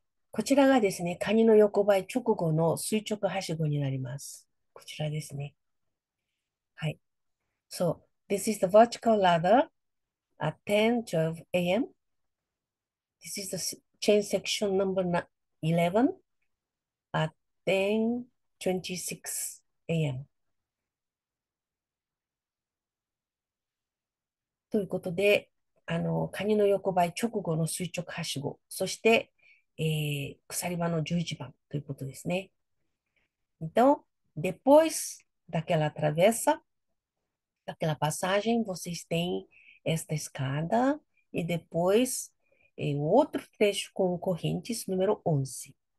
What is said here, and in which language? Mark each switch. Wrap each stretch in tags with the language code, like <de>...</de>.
<ja>こちらがですね、カニの横ばい直後の垂直はしごになります。こちらですね。はい。</ja> <en>So, this is the vertical ladder at 10:12 a.m. This is the chain section number 11 at 10:26 a.m.</en> <ja>ということで、カニの横ばい直後の垂直はしご、そして、鎖場の11番ということですね。</ja> <pt>Então, depois daquela travessa, daquela passagem, vocês têm esta escada e depois outro trecho com correntes número 11.</pt>